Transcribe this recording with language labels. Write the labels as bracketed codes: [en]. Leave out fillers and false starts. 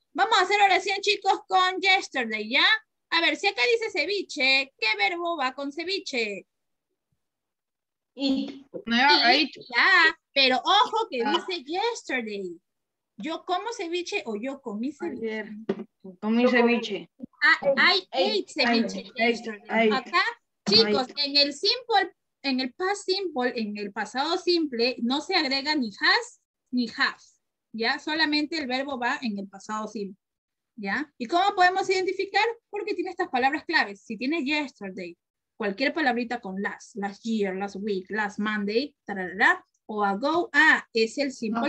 [es] Vamos a hacer oración, chicos, con yesterday, ¿ya? A ver, si acá dice ceviche, ¿qué verbo va con ceviche? Y Sí, ya, pero ojo que dice yesterday. ¿Yo como ceviche o yo comí ayer ceviche? comí ceviche. [en] I ate ceviche yesterday. [es] Acá, chicos, en el simple, en el past simple, en el pasado simple, no se agrega ni has ni have, ¿ya? Solamente el verbo va en el pasado simple, ¿ya? ¿Y cómo podemos identificar? Porque tiene estas palabras claves. Si tiene yesterday, cualquier palabrita con [en] last year, last week, last Monday, [es] tarara, o ago, es el simple